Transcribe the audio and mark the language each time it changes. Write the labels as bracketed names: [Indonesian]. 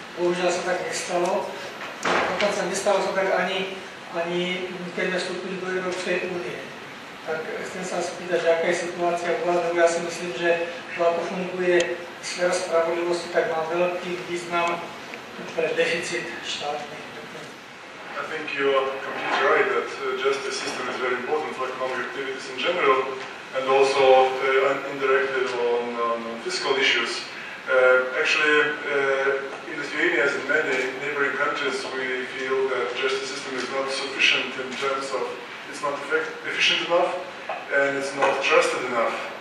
[Czech] Bohužel se tak nestalo. Dokonce nestalo se tak ani když jsme vstupili do Evropské unie. [Slovak] Tak chcem sa spýtať, že aká je situácia vo vládu. Ja si myslím, že to, ako funguje sféra spravodlivosti, tak má veľký význam pre deficit štátny. [English] I think you are completely right that justice system is very important for economic activities in general and also indirectly on fiscal issues. Actually, in Lithuania, as in many neighboring countries, we feel that justice system is not sufficient in terms of it's not efficient enough, and it's not trusted enough.